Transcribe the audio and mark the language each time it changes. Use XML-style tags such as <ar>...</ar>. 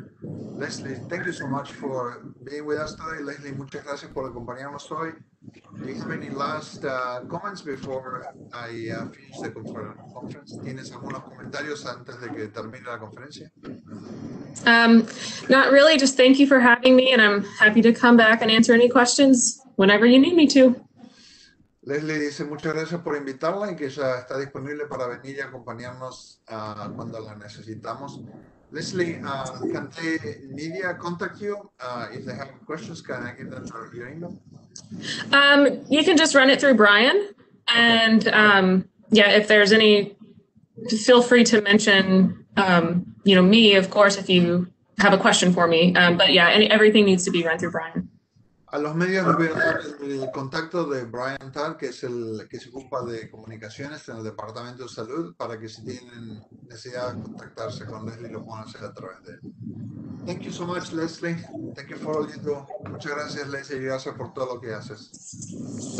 <en>Leslie, thank you so much for being with us today.</en> <es>Leslie, muchas gracias por acompañarnos hoy.</es> <en>Do you have any last comments before I finish the conference?</en> <es>¿Tienes algunos comentarios antes de que termine la conferencia?</es> <en>Not really, just thank you for having me and I'm happy to come back and answer any questions whenever you need me to.</en> <es>Leslie dice muchas gracias por invitarla y que ya está disponible para venir y acompañarnos cuando la necesitamos.</es> <en>Leslie, can the media contact you? If they have questions, can I give them your email? You can just run it through Brian. And yeah, if there's any, feel free to mention, you know, me, of course, if you have a question for me. But yeah, everything needs to be run through Brian.</en> <es>A los medios les voy a dar el contacto de Brian Tal, que es el que se ocupa de comunicaciones en el Departamento de Salud, para que si tienen necesidad de contactarse con Leslie, lo puedan hacer a través de él.</es> <en>Thank you so much, Leslie. Thank you for all you do.</en> <es>Muchas gracias, Leslie, y gracias por todo lo que haces.</es>